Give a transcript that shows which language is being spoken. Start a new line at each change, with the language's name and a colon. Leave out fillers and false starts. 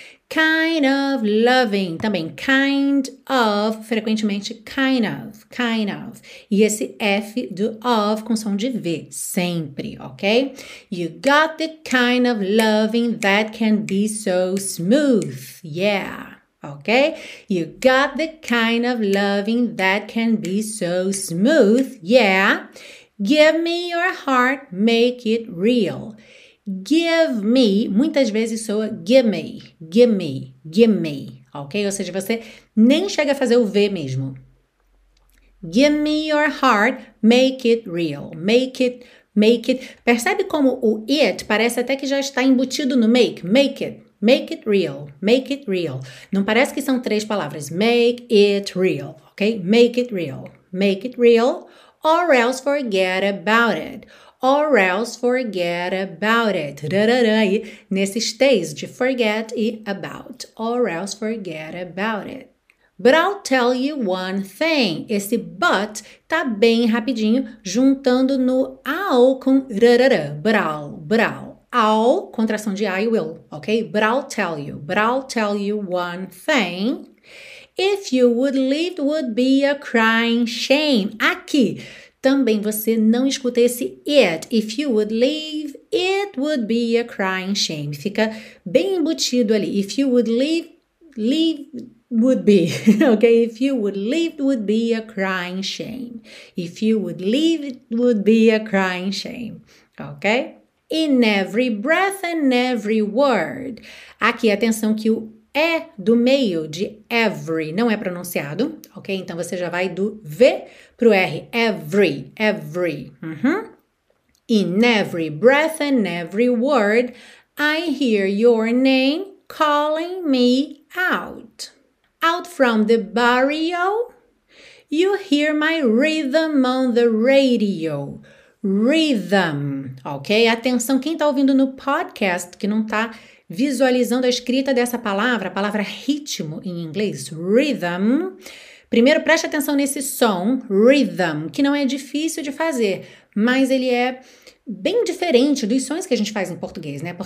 English: Kind of loving,
Portuguese: também
English: kind of,
Portuguese: frequentemente
English: kind of.
Portuguese: E esse F do of com som de V, sempre, ok?
English: You got the kind of loving that can be so smooth, yeah, Okay? You got the kind of loving that can be so smooth. Yeah. Give me your heart, make it real. Give me,
Portuguese: muitas vezes soa
English: give me, give me, give me. Ok?
Portuguese: Ou seja, você nem chega a fazer o V mesmo.
English: Give me your heart, make it real. Make it, make it.
Portuguese: Percebe como o it parece até que já está embutido no make.
English: Make it, make it real, make it real.
Portuguese: Não parece que são três palavras.
English: Make it real, ok? Make it real, make it real. Or else forget about it. Or else forget about it.
Portuguese: Nesses T's de forget e about.
English: Or else forget about it. But I'll tell you one thing.
Portuguese: Esse but tá bem rapidinho juntando no I'll com rarara.
English: But I'll. I'll,
Portuguese: contração de
English: I will, ok? But I'll tell you one thing. If you would leave, it would be a crying shame.
Portuguese: Aqui, também você não escuta esse it.
English: If you would leave, it would be a crying shame.
Portuguese: Fica bem embutido ali.
English: If you would leave, leave would be. Okay? If you would leave, it would be a crying shame. If you would leave, it would be a crying shame. Okay? In every breath and every word.
Portuguese: Aqui, atenção que o é do meio de every, não é pronunciado, ok? Então, você já vai do V pro R, every, every. Uh-huh.
English: In every breath and every word, I hear your name calling me out. Out from the barrio, you hear my rhythm on the radio. Rhythm, ok?
Portuguese: Atenção, quem tá ouvindo no podcast, que não tá visualizando a escrita dessa palavra, a palavra ritmo em inglês, rhythm. Primeiro, preste atenção nesse som, rhythm, que não é difícil de fazer, mas ele é bem diferente dos sons que a gente faz em português, né?